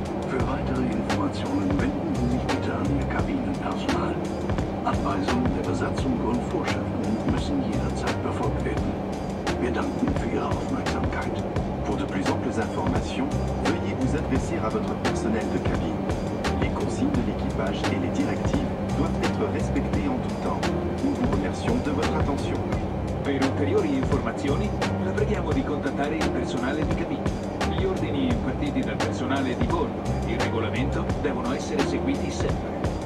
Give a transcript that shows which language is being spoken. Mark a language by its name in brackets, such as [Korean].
[German] Für weitere Informationen wenden Sie sich bitte an Ihr Kabinenpersonal. Anweisungen der Besatzung und Vorschriften müssen jederzeit befolgt werden. Wir danken für Ihre Aufmerksamkeit. [French] Pour de plus amples informations, veuillez vous adresser à votre personnel de cabine. Les consignes de l'équipage et les directives doivent être respectées en tout temps. Nous vous remercions de votre attention. [Italian] Per ulteriori informazioni, la preghiamo di contattare il personale di cabina. Gli ordini impartiti dal personale di bordo e il regolamento devono essere seguiti sempre.